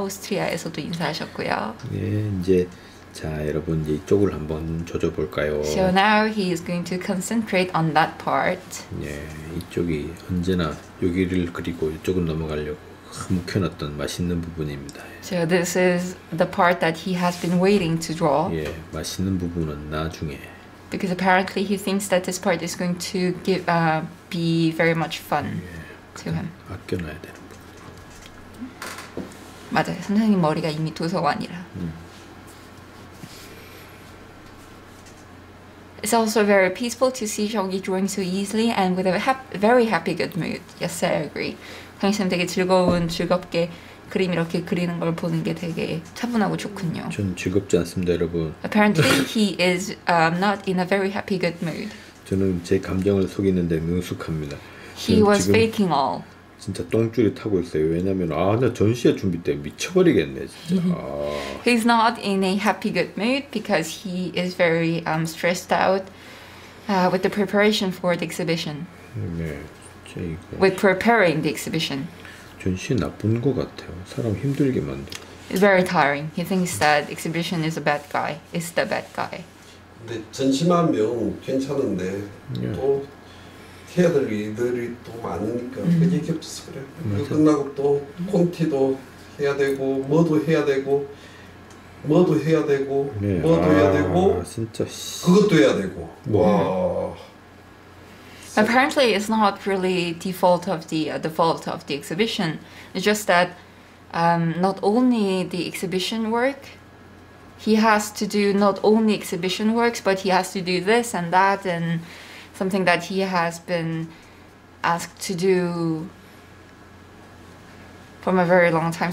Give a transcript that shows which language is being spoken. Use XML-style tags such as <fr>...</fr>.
<ko>오스트리아에서도 인사하셨고요. 예, 이제 자 여러분 이쪽을 한번 조져볼까요?</ko> <en>So now he is going to concentrate on that part.</en> <ko>예, 이쪽이 언제나 여기를 그리고 이쪽은 넘어가려고. 묵혀놨던 맛있는 부분입니다.</ko> <en>So this is the part that he has been waiting to draw.</en> <ko>예, 맛있는 부분은 나중에.</ko> <en>Because apparently he thinks that this part is going to give be very much fun 예, to him.</en> <ko>아껴놔야 되는 부분. 맞아요. 선생님 머리가 이미 도서관이라.</ko> <en>It's also very peaceful to see Seonggi drawing so easily and with a very happy good mood. Yes, I agree.</en> <ko>선생님 되게 즐거운 즐겁게 그림 이렇게 그리는 걸 보는 게 되게 차분하고 좋군요. 전 즐겁지 않습니다, 여러분.</ko> <en>Apparently he is not in a very happy good mood.</en> <ko>저는 제 감정을 속이는데 능숙합니다.</ko> <en>He was faking all.</en> <ko>진짜 똥줄이 타고 있어요. 왜냐면 아, 나 전시회 준비 때문에 미쳐버리겠네, 진짜. 아.</ko> <en>He's not in a happy good mood because he is very stressed out with the preparation for the exhibition.</en> <ko>네.</ko> <en>With preparing the exhibition.</en> <ko>전시 나쁜 것 같아요. 사람 힘들게 만들.</ko> <en>It's very tiring. He thinks that exhibition is a bad guy. It's the bad guy.</en> <ko>근데 전시만 명 괜찮은데 또 해야 될 일들이 또 많으니까 그게 겹쳐서 그래. 그 끝나고 또 콘티도 해야 되고 뭐도 해야 되고 뭐도 해야 되고 뭐도 해야 되고 진짜 그것도 해야 되고 와.</ko> <en>Apparently, it's not really default of the default of the exhibition. It's just that not only the exhibition work, he has to do not only exhibition works, but he has to do this and that and something that he has been asked to do from a very long time.</en>